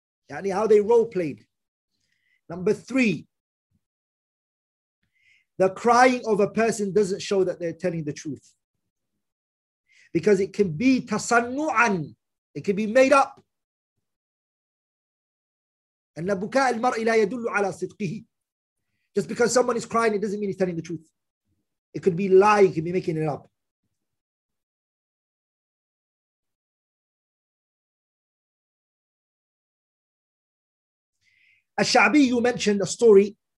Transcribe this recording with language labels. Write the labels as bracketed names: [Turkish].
[English] Yani how they role played. Number three, the crying of a person doesn't show that they're telling the truth, because it can be tasannu'an. It can be made up. [Arabic] And البكاء المرء لا يدل على صدقه. [English] Just because someone is crying, it doesn't mean he's telling the truth. It could be lying, it could be making it up. الشعبي, you mentioned a story.